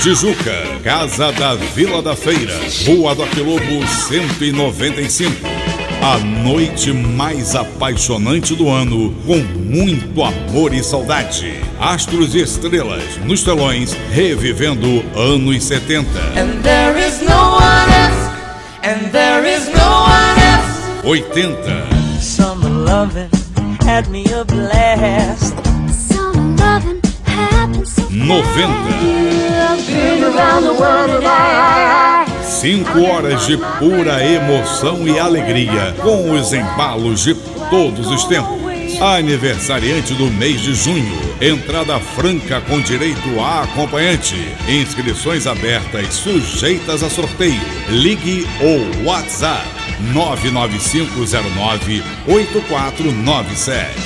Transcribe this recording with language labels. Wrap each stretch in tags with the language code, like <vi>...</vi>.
<pt>Tijuca, Casa da Vila da Feira, Rua do Aquilobo 195. A noite mais apaixonante do ano, com muito amor e saudade. Astros e estrelas nos telões, revivendo anos 70.</pt> <en>And there is no one else, and there is no one else. 80. Summer loving had me a blast. Summer loving happened so fast. 90. Been around the world and I.</en> <pt>5 horas de pura emoção e alegria, com os embalos de todos os tempos. Aniversariante do mês de junho, entrada franca com direito a acompanhante. Inscrições abertas, sujeitas a sorteio. Ligue ou WhatsApp 99509-8497.</pt>